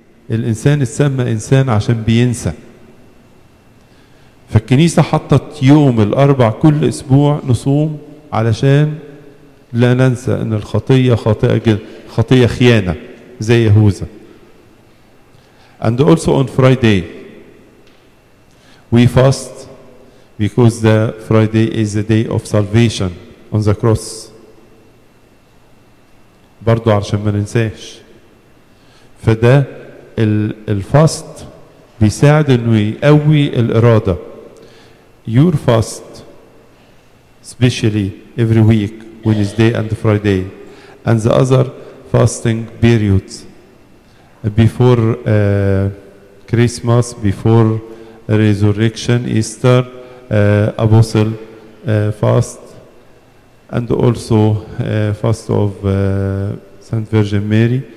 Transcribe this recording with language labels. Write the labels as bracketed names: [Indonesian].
[Arabic] الإنسان السمى إنسان عشان بينسى. فالكنيسة حطت يوم الأربع كل أسبوع نصوم علشان لا ننسى أن الخطية خطية خيانة زي يهوذا. [English] And also on Friday we fast because the Friday is the day of salvation on the cross. [Arabic] برضو عشان ما ننساش. فده الفاست بيساعد انه يقوي الإرادة. [English] Your fast especially every week Wednesday and Friday and the other fasting periods before Christmas, before resurrection, Easter, Apostle fast and also fast of Saint Virgin Mary.